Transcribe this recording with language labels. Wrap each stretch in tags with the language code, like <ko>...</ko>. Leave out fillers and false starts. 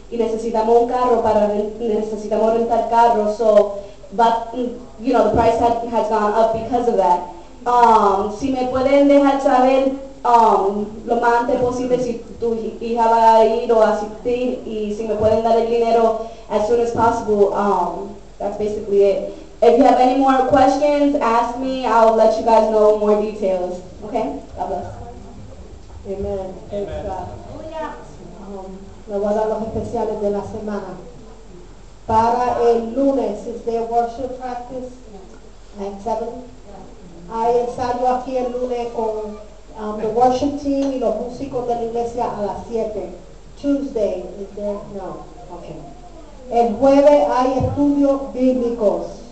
<es>Y necesitamos un carro para necesitamos rentar carro,</es> <en>so but you know the price has gone up because of that.</en> <es>Si me pueden dejar saber lo más antes posible si tu hija va a ir o asistir, y si me pueden dar el dinero</es> <en>as soon as possible, that's basically it. If you have any more questions, ask me, I'll let you guys know more details. Okay? God bless. Amen.</en> <es>Le voy a dar los especiales de la semana. Para el lunes,</es> <en>is there worship practice? Yeah. At 7? Yeah.</en> <es>Hay ensayo aquí el lunes con</es> <en>the worship team</en> <es>y los músicos de la iglesia a las 7.</es> <en>Tuesday, is there? No. Okay.</en> <es>El jueves hay estudios bíblicos.</es>